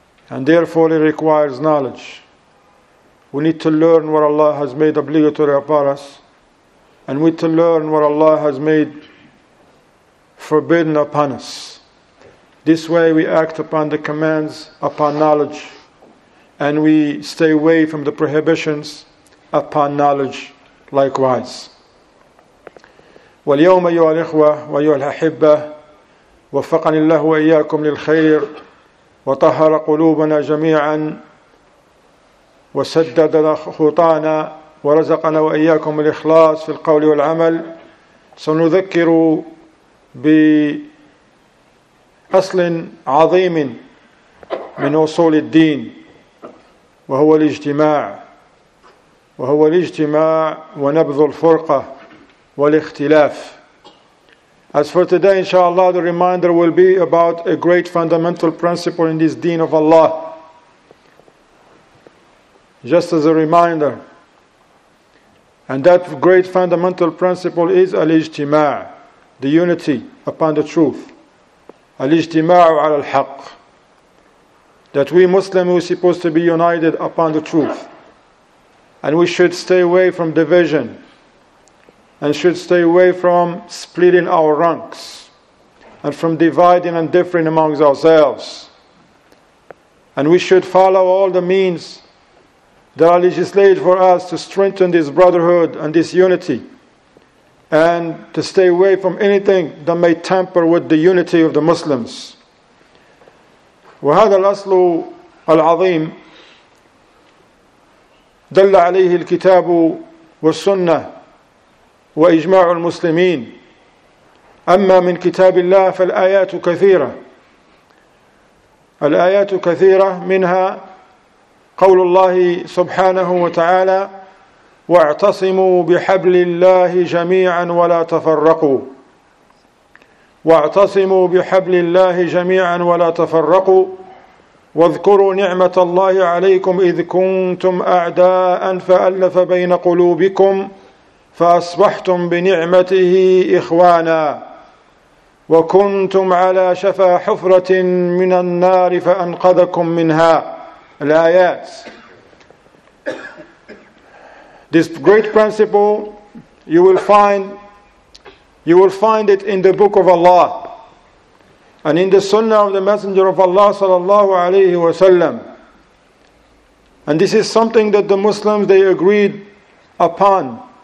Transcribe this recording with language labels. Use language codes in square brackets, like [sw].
[en] And therefore it requires knowledge. We need to learn what Allah has made obligatory upon us, and we need to learn what Allah has made forbidden upon us. This way we act upon the commands upon knowledge, and we stay away from the prohibitions upon knowledge likewise. [ar] واليوم أيها الإخوة وأيها الأحبة، وفقني الله وإياكم للخير، وطهر قلوبنا جميعا، وسدد خطانا، ورزقنا وإياكم الإخلاص في القول والعمل. سنذكر بأصل عظيم من أصول الدين، وهو الاجتماع، وهو الاجتماع ونبذ الفرقة والاختلاف. [en] As for today, inshallah, the reminder will be about a great fundamental principle in this deen of Allah. Just as a reminder, and that great fundamental principle is al-ijtima', the unity upon the truth. [ar] Al-ijtima'u ala al-haq. [en] That we Muslims are supposed to be united upon the truth. And we should stay away from division. And should stay away from splitting our ranks. And from dividing and differing amongst ourselves. And we should follow all the means that are legislated for us to strengthen this brotherhood and this unity, and to stay away from anything that may tamper with the unity of the Muslims. [ar] وهذا الأصل العظيم دل عليه الكتاب والسنة وإجماع المسلمين. أما من كتاب الله فالآيات كثيرة. الآيات كثيرة، منها قول الله سبحانه وتعالى: واعتصموا بحبل الله جميعا ولا تفرقوا، واعتصموا بحبل الله جميعا ولا تفرقوا، واذكروا نعمة الله عليكم إذ كنتم أعداء فألف بين قلوبكم فأصبحتم بنعمته إخوانا وكنتم على شفا حفرة من النار فأنقذكم منها. الآيات. [en] This great principle you will find it in the book of Allah and in the sunnah of the Messenger of Allah sallallahu alayhi wa sallam. And this is something that the Muslims, they agreed upon.